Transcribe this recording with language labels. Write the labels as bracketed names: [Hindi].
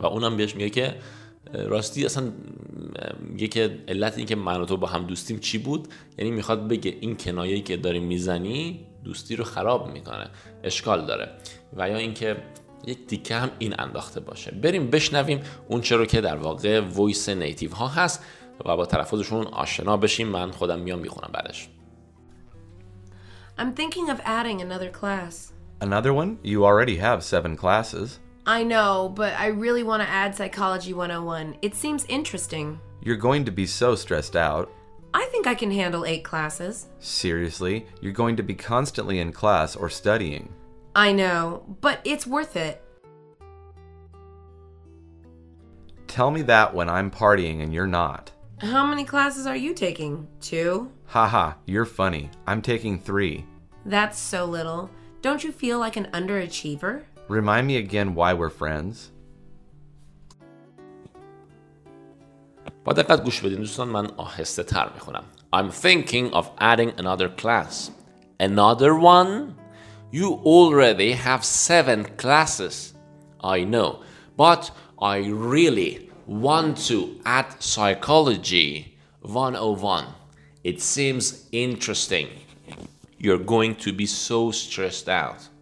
[Persian] و اونم بهش میگه که راستی اصلا میگه که علت این که من و تو با هم دوستیم چی بود، یعنی میخواد بگه این کنایه‌ای که داری میزنی دوستی رو خراب میکنه، اشکال داره، و یا اینکه یک تیکه هم این انداخته باشه. بریم بشنویم اون چه رو که در واقع وایس نیتیو ها هست و با تلفظشون آشنا بشیم. من خودم میام میخونم بعدش. [English] I'm thinking of adding another class. Another one? You already have 7 classes. I know, but I really want to add psychology 101. It seems interesting. You're going to be so stressed out. I think I can handle 8 classes. Seriously? You're going to be constantly in class or studying. I know, but it's worth it. Tell me that when I'm partying and you're not. How many classes are you taking? 2? Haha, you're funny. I'm taking 3. That's so little. Don't you feel like an underachiever? Remind me again why we're friends. [Persian] با دقت گوش بدین دوستان، من آهسته تر میخونم. [English] I'm thinking of adding another class. Another one? You already have 7 classes. I know, but I really want to add psychology 101. It seems interesting. You're going to be so stressed out.